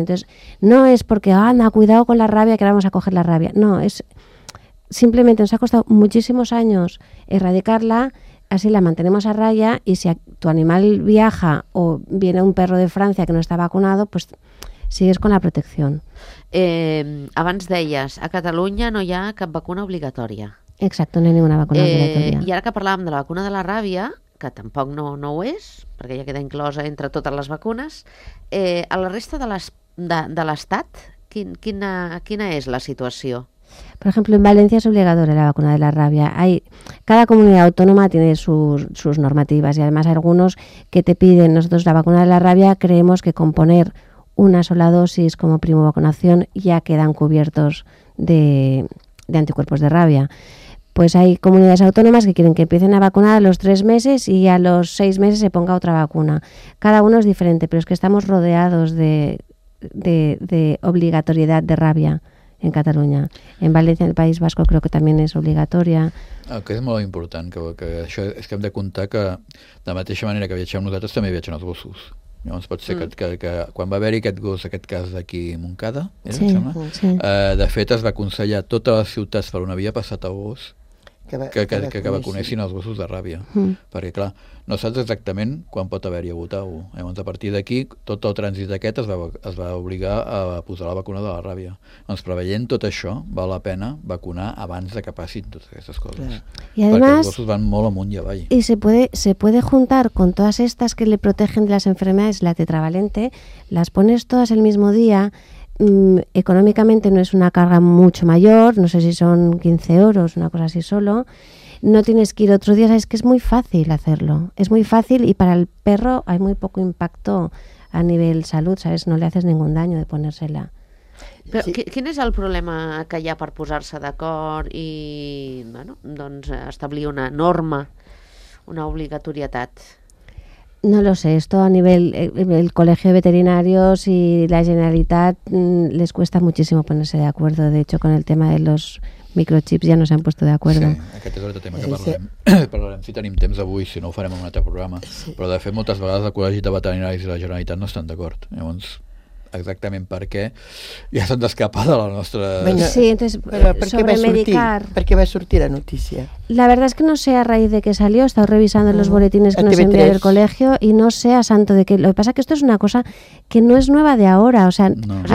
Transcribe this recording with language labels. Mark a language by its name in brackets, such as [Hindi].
[Spanish] Entonces, no es porque, anda, cuidado con la rabia, que ahora vamos a coger la rabia. No, es simplemente, nos ha costado muchísimos años erradicarla, así la mantenemos a raya, y si tu animal viaja o viene un perro de Francia que no está vacunado, pues sigues con la protección. [Catalan] Abans deies, a Catalunya no hi ha cap vacuna obligatòria. Exacte, no hi ha ninguna vacuna obligatòria. I ara que parlàvem de la vacuna de la ràbia, que tampoc no ho és, perquè ja queda inclosa entre totes les vacunes, a la resta de l'Estat, quina és la situació? Per exemple, en València és obligatòria la vacuna de la ràbia. Cada comunitat autònoma té [Spanish] sus [Catalan] normatives, i a més, alguns que [Spanish] te piden, [Catalan] nosaltres la vacuna de la ràbia creiem que [Spanish] con poner una sola dosis como primo vacunación ya quedan cubiertos de anticuerpos de rabia. Pues hay comunidades autónomas que quieren que empiecen a vacunar a los 3 meses y a los 6 meses se ponga otra vacuna. Cada uno es diferente, pero es que estamos rodeados de obligatoriedad de rabia en Cataluña. En Valencia, en el País Vasco, creo que también es obligatoria. [Catalan] El que és molt important, que això és que hem de comptar que de la mateixa manera que viatgem nosaltres també viatgen els gossos. Llavors pot ser que quan va haver-hi aquest gos, aquest cas d'aquí a Moncada, de fet es va aconsellar a totes les ciutats per on havia passat el gos que vacunessin els gossos de ràbia. Perquè clar, no saps exactament quan pot haver-hi hagut alguna cosa. Llavors a partir d'aquí tot el trànsit aquest es va obligar a posar la vacuna de la ràbia. Llavors preveient tot això, val la pena vacunar abans de que passin totes aquestes coses. [Spanish] Y además, [Catalan] perquè els gossos van molt amunt i avall. [Spanish] I se puede juntar con todas estas que le protegen de las enfermedades, la tetravalente, las pones todas el mismo día. Económicamente no es una carga mucho mayor, no sé si son 15 euros, una cosa así solo. No tienes que ir otro día, sabes que es muy fácil hacerlo, es muy fácil, y para el perro hay muy poco impacto a nivel salud, sabes, no le haces ningún daño de ponérsela. [Catalan] Però sí. Quin és el problema que hi ha per posar-se d'acord i, bueno, doncs establir una norma, una obligatorietat? [Spanish] No lo sé, esto a nivel el Colegio de Veterinarios y la Generalitat les cuesta muchísimo ponerse de acuerdo. De hecho, con el tema de los microchips ya no se han puesto de acuerdo. [Catalan] Sí, aquest és l'altre tema que parlarem. Parlarem si tenim temps avui, si no ho farem en un altre programa. Sí. Però de fet, moltes vegades el Col·legi de Veterinaris i la Generalitat no estan d'acord. Llavors, exactament per què ja s'han d'escapar de la nostra... [Spanish] Venga. Sí, entonces, sobremedicar... [Catalan] Per què va sortir la notícia? [Spanish] La verdad es que no sé a raíz de qué salió, he estado revisando los boletines que nos envió el colegio y no sé a santo de qué. Lo que pasa es que esto es una cosa que no es nueva de ahora, o sea, no.